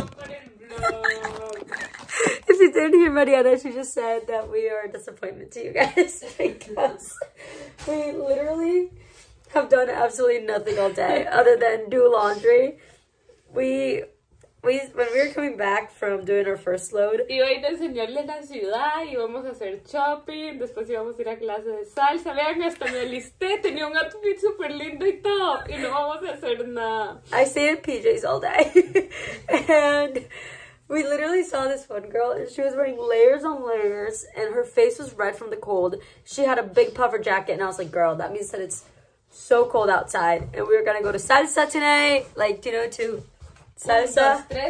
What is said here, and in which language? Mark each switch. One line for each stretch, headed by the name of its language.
English: If you didn't hear Mariana, she just said that we are a disappointment to you guys because we literally have done absolutely nothing all day other than do laundry. When we were coming back from doing our first load,
Spanish: iba a ir a enseñarle la ciudad, íbamos a hacer shopping, después íbamos a ir a clase de salsa, vean, hasta me alisté, tenía un outfit super lindo y todo, y no vamos a hacer nada.
English: I stayed in PJs all day, and we literally saw this one girl, and she was wearing layers on layers, and her face was red from the cold. She had a big puffer jacket, and I was like, girl, that means that it's so cold outside, and we were gonna go to salsa tonight, like, you know, to salsa.